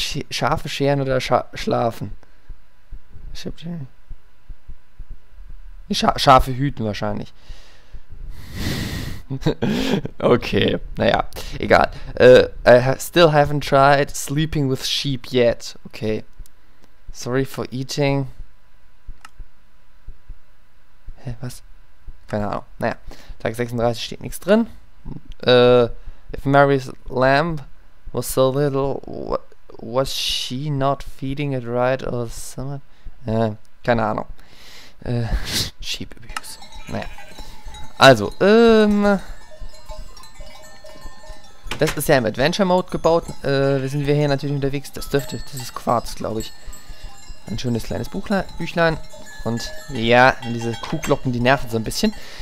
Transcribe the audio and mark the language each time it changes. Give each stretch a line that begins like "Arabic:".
German: Scharfe Scheren oder schlafen? Scharfe Hüten wahrscheinlich. Okay, naja, egal.
English: I still haven't tried sleeping with sheep yet. Okay. Sorry for eating.
German: Hä, was? Keine Ahnung. Naja, Tag 36 steht nichts drin.
English: If Mary's lamb was so little, was she not feeding it right or something?
German: Keine Ahnung.
English: Sheep abuse.
German: Naja. Also, das ist ja im Adventure Mode gebaut. Wir sind hier natürlich unterwegs. Das dürfte, das ist Quarz, glaube ich. Ein schönes kleines Büchlein. Und ja, diese Kuhglocken, die nerven so ein bisschen.